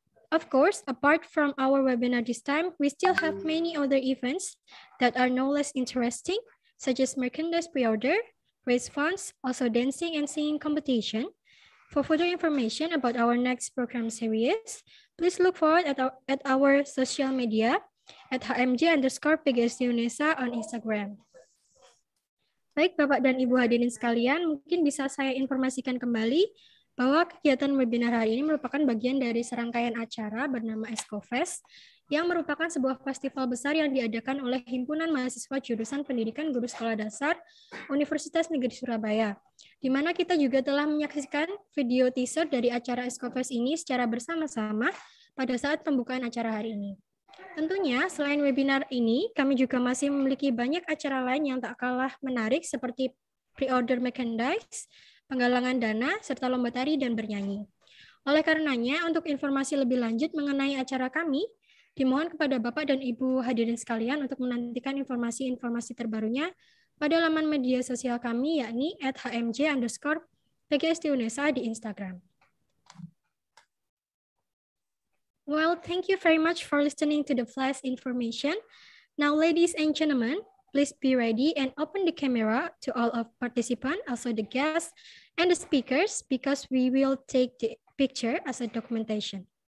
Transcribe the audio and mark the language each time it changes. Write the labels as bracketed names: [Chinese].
[English] Of course, apart from our webinar this time, we still have many other events that are no less interesting, such as merchandise pre-order, raise funds, also dancing and singing competition. For further information about our next program series, please look forward at our social media at HMG_PGSDUNESA on Instagram. [Indonesian] Baik, Bapak dan Ibu hadirin sekalian, mungkin bisa saya informasikan kembali bahwa kegiatan webinar hari ini merupakan bagian dari serangkaian acara bernama ESCOFest yang merupakan sebuah festival besar yang diadakan oleh Himpunan Mahasiswa Jurusan Pendidikan Guru Sekolah Dasar Universitas Negeri Surabaya, di mana kita juga telah menyaksikan video teaser dari acara ESCOFest ini secara bersama-sama pada saat pembukaan acara hari ini. Tentunya, selain webinar ini, kami juga masih memiliki banyak acara lain yang tak kalah menarik seperti pre-order merchandise, penggalangan dana, serta lomba tari dan bernyanyi. Oleh karenanya, untuk informasi lebih lanjut mengenai acara kami, dimohon kepada Bapak dan Ibu hadirin sekalian untuk menantikan informasi-informasi terbarunya pada laman media sosial kami, yakni @hmj_pgsdunesa di Instagram. [English] Well, thank you very much for listening to the flash information. Now, ladies and gentlemen, please be ready and open the camera to all of participants, also the guests and the speakers, because we will take the picture as a documentation.